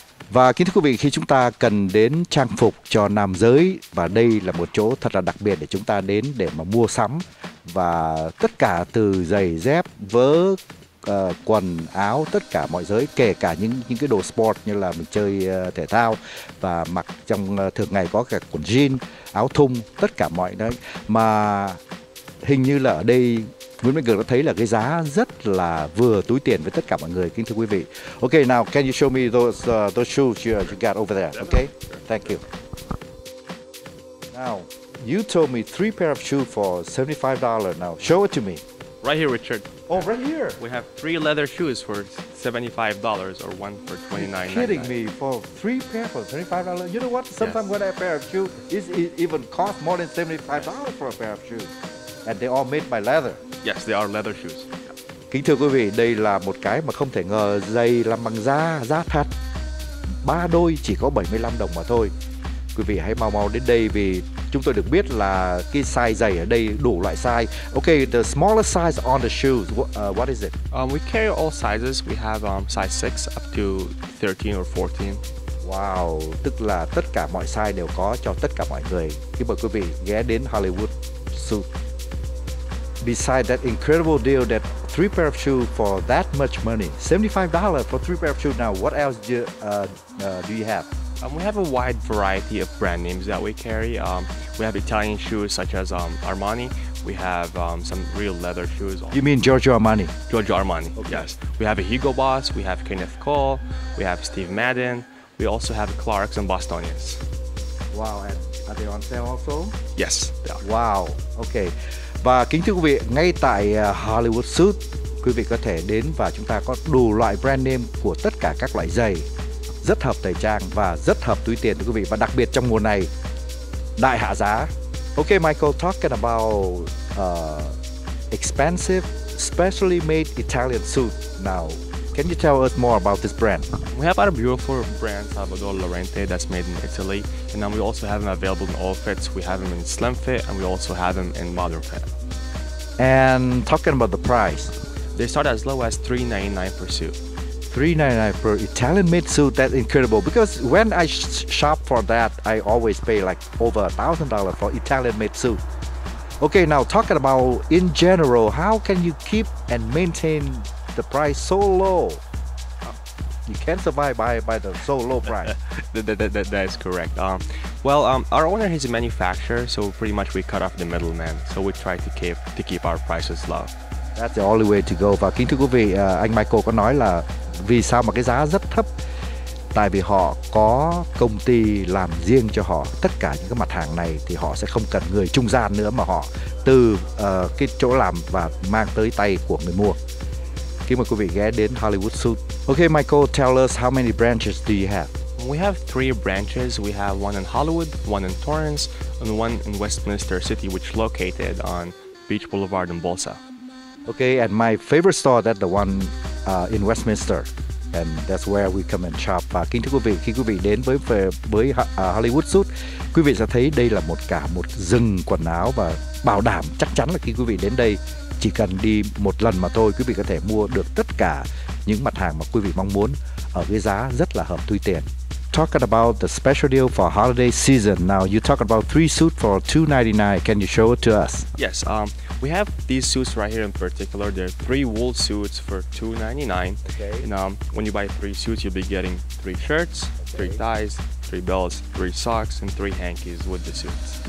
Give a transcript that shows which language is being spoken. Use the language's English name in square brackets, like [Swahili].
[Vietnamese] Và kính thưa quý vị, khi chúng ta cần đến trang phục cho nam giới, và đây là một chỗ thật là đặc biệt để chúng ta đến để mà mua sắm, và tất cả từ giày dép vớ quần áo, tất cả mọi giới, kể cả những cái đồ sport như là mình chơi thể thao và mặc trong thường ngày, có cả quần jean, áo thun, tất cả mọi đấy. Mà hình như là ở đây Nguyễn Minh Cường đã thấy là cái giá rất là vừa túi tiền với tất cả mọi người, kính thưa quý vị. [English] Okay, now can you show me those shoes you got over there? Okay, thank you. Now you told me 3 pair of shoes for $75. Now show it to me. Right here, Richard. Oh, right here. We have 3 leather shoes for $75, or one for $29. You're kidding me. For 3 pairs for $75. You know what? Sometimes yes. When a pair of shoes is even cost more than $75 for a pair of shoes, and they all made by leather. Yes, they are leather shoes. [Vietnamese] Kính thưa quý vị, đây là một cái mà không thể ngờ, giày làm bằng da thật, 3 đôi chỉ có 75 đồng mà thôi. Quý vị hãy mau đến đây vì chúng tôi được biết là cái size giày ở đây đủ loại size. [English] Okay, the smallest size on the shoes, what is it? We carry all sizes. We have size 6 up to 13 or 14. [Vietnamese] Wow, tức là tất cả mọi size đều có cho tất cả mọi người. Kính mời quý vị ghé đến Hollywood suit. [English] Besides that incredible deal that three pair of shoes for that much money, $75 for three pair of shoes. Now, what else do you have? We have a wide variety of brand names that we carry. We have Italian shoes such as Armani. We have some real leather shoes. You mean Giorgio Armani? Giorgio Armani, okay. Yes. We have a Hugo Boss, we have Kenneth Cole, we have Steve Madden. We also have Clarks and Bostonians. Wow, and are they on sale also? Yes, they are. Wow, okay. [Vietnamese] Và kính thưa quý vị, ngay tại Hollywood Suit, quý vị có thể đến và chúng ta có đủ loại brand name của tất cả các loại giày, rất hợp thời trang và rất hợp túi tiền thưa quý vị, và đặc biệt trong mùa này đại hạ giá. [English] Okay, Michael, talking about expensive, specially made Italian suit. Now, can you tell us more about this brand? We have our beautiful brand, Salvador Lorente, that's made in Italy. And then we also have them available in all fits. We have them in slim fit, and we also have them in modern fit. And talking about the price? They start as low as $399 per suit. $399 per Italian made suit, that's incredible. Because when I shop for that, I always pay like over $1,000 for Italian made suit. Okay, now talking about in general, how can you keep and maintain the price so low? You can't survive by the so low price. that is correct. Our owner is a manufacturer, so pretty much we cut off the middleman. So we try to keep our prices low. That's the only way to go. [Vietnamese] Và kính thưa quý vị, anh Michael có nói là vì sao mà cái giá rất thấp? Tại vì họ có công ty làm riêng cho họ tất cả những cái mặt hàng này, thì họ sẽ không cần người trung gian nữa, mà họ từ cái chỗ làm và mang tới tay của người mua. Kính mời quý vị ghé đến Hollywood Suit. [English] Okay, Michael, tell us how many branches do you have? We have three branches. We have one in Hollywood, one in Torrance, and one in Westminster City, which located on Beach Boulevard in Bolsa. Okay, and my favorite store, that's the one in Westminster, and that's where we come and shop. [Vietnamese] Và kính thưa quý vị, khi quý vị đến với Hollywood Suit, quý vị sẽ thấy đây là một rừng quần áo, và bảo đảm chắc chắn là khi quý vị đến đây chỉ cần đi một lần mà thôi, quý vị có thể mua được tất cả những mặt hàng mà quý vị mong muốn ở cái giá rất là hợp túi tiền. [English] Talking about the special deal for holiday season. Now you talk about three suits for $299. Can you show it to us? Yes. We have these suits right here in particular. They're three wool suits for $299. Okay. And when you buy three suits, you'll be getting three shirts, okay, three ties, three belts, three socks, and three hankies with the suits.